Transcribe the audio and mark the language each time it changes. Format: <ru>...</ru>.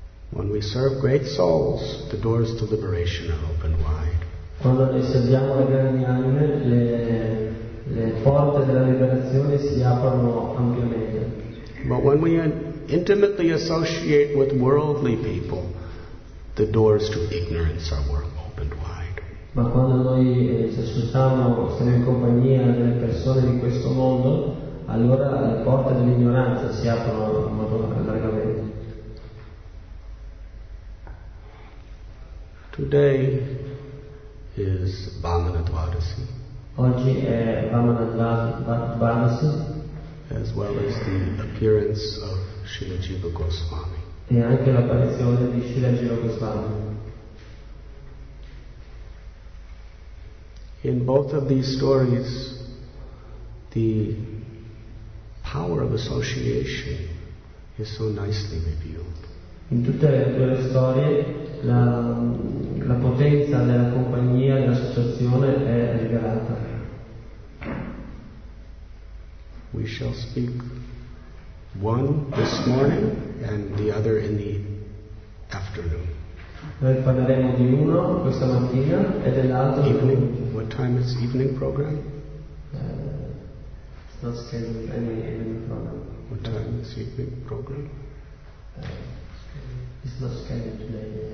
<en>When we serve great souls, the doors to liberation are open wide.</en> <it>Quando noi serviamo le grandi anime, le porte della liberazione si aprono ampiamente.</it> <en>But when we intimately associate with worldly people, the doors to ignorance are opened wide.</en> <it>Ma quando noi ci associamo, siamo in compagnia delle persone di questo mondo, allora le porte dell'ignoranza si aprono in modo largamente.</it> <en>Today is Vamana Dvadasi.</en> <it>Oggi è Vamana Dvadasi.</it> <en>As well as the appearance of Srila Jiva Goswami.</en> <it>E anche l'apparizione di Srila Jiva Goswami.</it> <en>In both of these stories, the power of association is so nicely revealed.</en> <it>In tutte le due storie, la potenza della compagnia, dell'associazione è rivelata.</it> <en>We shall speak one this morning and the other in the afternoon.</en> <it>Noi parleremo di uno questa mattina e dell'altro</it> <en>evening. What time is evening program? It's not scheduled any evening program. What time is evening program? It's not scheduled today.</en>